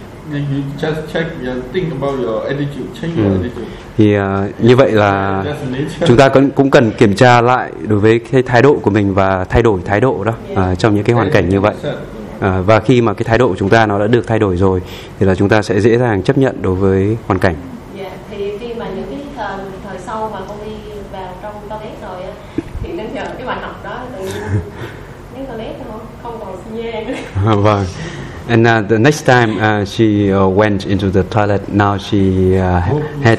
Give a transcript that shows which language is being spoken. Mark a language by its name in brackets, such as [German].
[English] You just check, think about your attitude, change your attitude. [Vietnamese] Thì như vậy là chúng ta cũng cần kiểm tra lại đối với cái thái độ của mình và thay đổi thái độ đó trong những cái hoàn cảnh như vậy. Và khi mà cái thái độ của chúng ta nó đã được thay đổi rồi thì là chúng ta sẽ dễ dàng chấp nhận đối với hoàn cảnh. [English] Yeah. [Vietnamese] thì khi mà những cái thời sau mà con đi vào trong toilet rồi á, thì đến giờ cái bài học đó từ những toilet không còn nhẹ nữa. Vâng. [English] And the next time she went into the toilet, now she had